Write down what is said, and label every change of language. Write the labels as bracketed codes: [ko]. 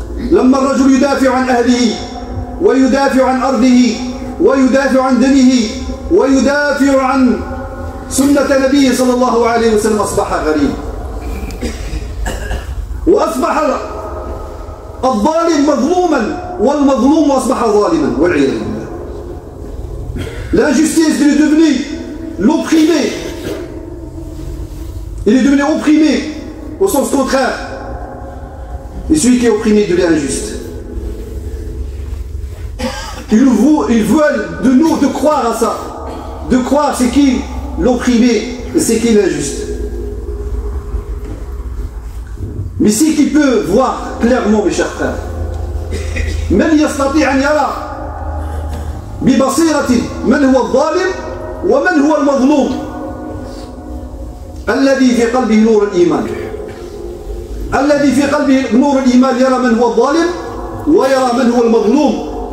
[ar] لما الرجل يدافع عن أهله ويدافع عن أرضه ويدافع عن دمه ويدافع عن سنة نبيه صلى الله عليه وسلم أصبح غريب، وأصبح الظالم مظلوما، والمظلوم أصبح ظالما، والعياذ بالله. لا جستيس دي دوفني لوبخيمي، [fr] il est devenu opprimé au sens contraire. Et celui qui est opprimé devient injuste. Ils veulent de nous de croire à ça, de croire c'est qui l'opprimé et c'est qui l'injuste. Mais c'est qui peut voir clairement, mes chers frères. [ar] من يستطيع أن يرى ببصيرة من هو الظالم ومن هو المظلوم الذي في قلبه نور الإيمان، الذي في قلبه نور الإيمان يرى من هو الظالم ويرى من هو المظلوم.